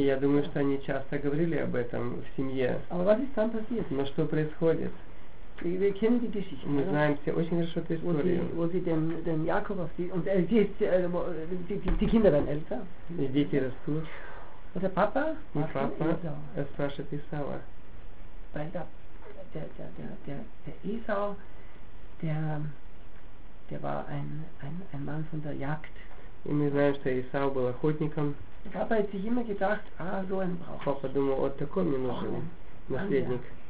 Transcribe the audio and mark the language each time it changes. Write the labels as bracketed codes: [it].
[ru] я думаю, что они часто говорили об этом в семье. Но что происходит? Мы знаем все очень хорошо эту историю. И дети растут. Вот это папа? И папа спрашивает Исава. [de] Der Esau, der war ein Mann von der Jagd. [ru] И мы знаем, что Исау был охотником. [de] Papa hat sich immer gedacht, so einen brauche ich. [ru] Папа думал, вот такой мне нужен наследник.